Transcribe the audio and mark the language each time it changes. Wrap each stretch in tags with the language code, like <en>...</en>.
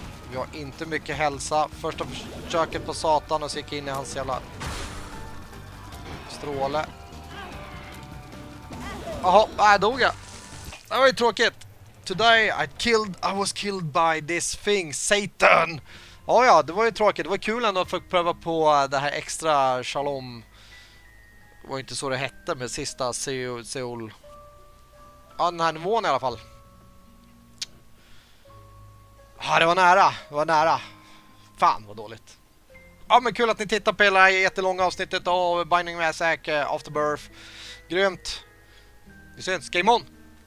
<sv>Vi har inte mycket hälsa. Första försöket på Satan och så gick in i hans jävla stråle. Jaha, där dog jag. Det var ju tråkigt.</sv> <en>Today I was killed by this thing, Satan.</en> <sv>Oh ja, det var ju tråkigt. Det var kul ändå att få prova på det här extra Shalom. Det var inte så det hette med sista Seoul. Ja, den här nivån i alla fall. Ja, det var nära. Det var nära. Fan, vad dåligt. Ja, men kul att ni tittar på hela jättelånga avsnittet av Binding of Isaac Afterbirth. Grymt. Vi ses.</sv> <en>Game on!</en>